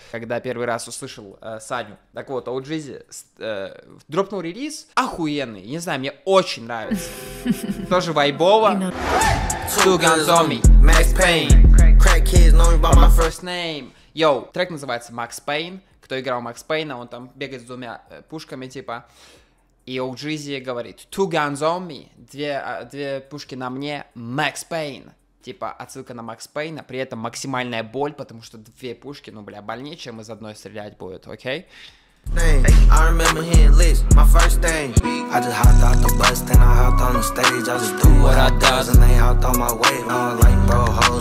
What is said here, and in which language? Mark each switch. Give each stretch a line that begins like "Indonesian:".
Russian: Когда первый раз услышал Саню. Так вот, Oh Jeezy дропнул релиз, охуенный, не знаю, мне очень нравится. Тоже вайбово.
English: Two Guns on me, Max Payne.
Russian: Йо, трек называется Max Payne. Кто играл Max Payne, он там бегает с двумя пушками, типа. И Oh Jeezy говорит
English: Two guns on me,
Russian: две пушки на мне, Max Payne. Типа, отсылка на Max Payne, при этом максимальная боль, потому что две пушки, ну, бля, больнее, чем из одной стрелять будет, окей?
English: Okay? I remember hearing lists, my first thing. I just hopped out the bus, then I hopped on the stage. I just do what I does, and they hopped on my way.